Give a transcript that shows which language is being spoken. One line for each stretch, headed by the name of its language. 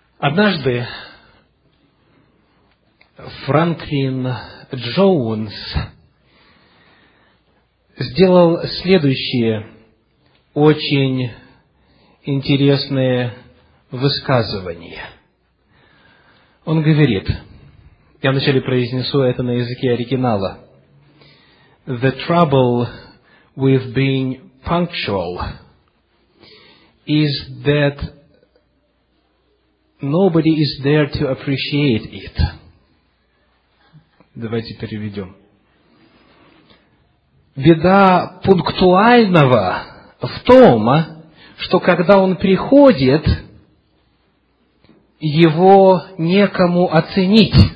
Russian: Однажды Франклин Джоунс сделал следующие очень интересные высказывания. Он говорит, я вначале произнесу это на языке оригинала,
English: «The trouble with being punctual is that nobody is there to appreciate it».
Russian: Давайте переведем. Беда пунктуального в том, что когда он приходит, его некому оценить.